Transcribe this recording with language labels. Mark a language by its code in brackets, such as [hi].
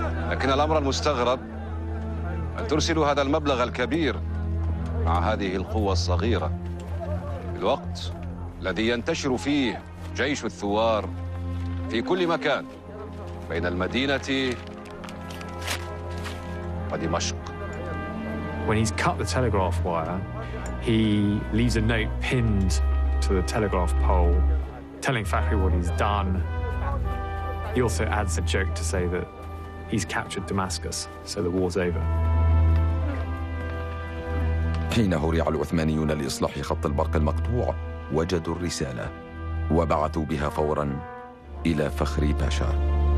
[ar] لكن الامر المستغرب ان ترسلوا هذا المبلغ الكبير مع هذه القوه الصغيره في الوقت الذي ينتشر فيه جيش الثوار في كل مكان بين المدينه ودمشق. [en] When he's cut the telegraph wire, he leaves a note pinned to the telegraph pole telling Fakhri what he's done. He also adds a joke to say that he's captured Damascus, so the war's over. [ar] حين هرع العثمانيون لإصلاح خط البرق المقطوع وجدوا الرسالة وبعثوا بها فورا إلى فخري باشا.